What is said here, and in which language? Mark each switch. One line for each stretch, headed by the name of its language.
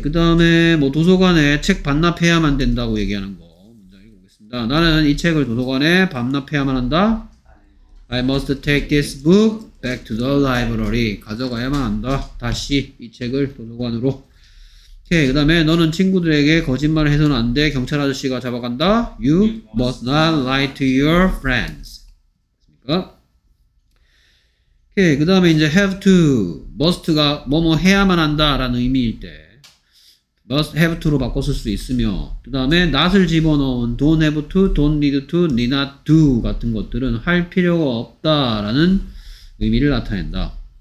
Korean: 그 다음에 뭐 도서관에 책 반납해야만 된다고 얘기하는 거. 문장 읽어보겠습니다. 나는 이 책을 도서관에 반납해야만 한다.
English: I must take this book back to the library.
Korean: 가져가야만 한다. 다시 이 책을 도서관으로. 오케이. 그 다음에 너는 친구들에게 거짓말을 해서는 안 돼. 경찰 아저씨가 잡아간다.
English: You must not lie to your friends.
Korean: 오케이, 그 다음에 이제 have to, must가 뭐뭐 해야만 한다 라는 의미일 때 must have to로 바꿔 쓸 수 있으며 그 다음에 not을 집어넣은 don't have to, don't need to, need not do 같은 것들은 할 필요가 없다 라는 의미를 나타낸다.